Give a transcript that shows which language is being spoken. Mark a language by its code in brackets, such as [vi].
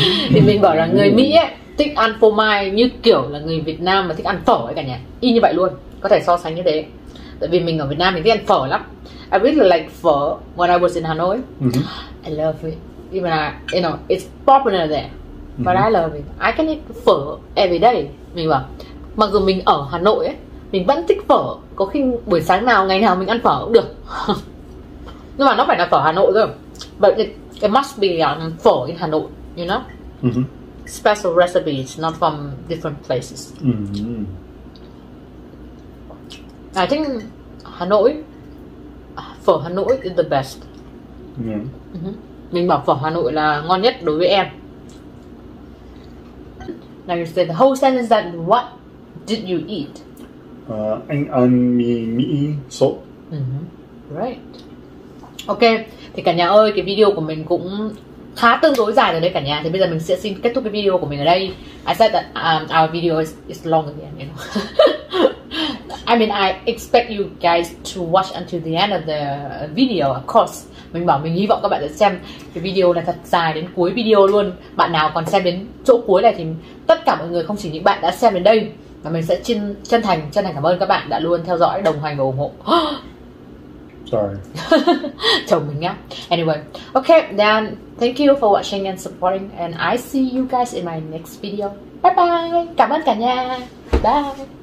[vi] Thì mình bảo là người Mỹ ấy thích ăn phô mai như kiểu là người Việt Nam mà thích ăn phở ấy cả nhà. Y như vậy luôn, có thể so sánh như thế. Tại vì mình ở Việt Nam mình thích ăn phở lắm. [en] I really like phở when I was in Hà Nội. I love it. Even you know, it's popular there. But I love it. I can eat phở every day. [vi] Mình bảo, mặc dù mình ở Hà Nội ấy, mình vẫn thích phở. Có khi buổi sáng nào, ngày nào mình ăn phở cũng được. Nhưng mà nó phải là phở Hà Nội thôi. [en] But it must be phở in Hà Nội, you know? Special recipes, not from different places. I think Hà Nội, phở Hà Nội is the best. [vi] Mình bảo phở Hà Nội là ngon nhất đối với em. [en] Now you say the whole sentence that what did you eat? [vi] Anh ăn mì Mỹ sốt. [en] Right. [vi] Ok, thì cả nhà ơi, cái video của mình cũng khá tương đối dài rồi đấy cả nhà. Thì bây giờ mình sẽ xin kết thúc cái video của mình ở đây. [en] I said that our video is longer than you know. I mean, I expect you guys to watch until the end of the video, of course. [vi] Mình bảo mình hy vọng các bạn sẽ xem cái video này thật dài đến cuối video luôn. Bạn nào còn xem đến chỗ cuối này thì tất cả mọi người, không chỉ những bạn đã xem đến đây, mà mình sẽ chân thành cảm ơn các bạn đã luôn theo dõi, đồng hành và ủng hộ. [en] Sorry. [vi] Chồng mình nhá. [en] Anyway, okay, then thank you for watching and supporting, and I see you guys in my next video. Bye bye. [vi] Cảm ơn cả nhà. [en] Bye.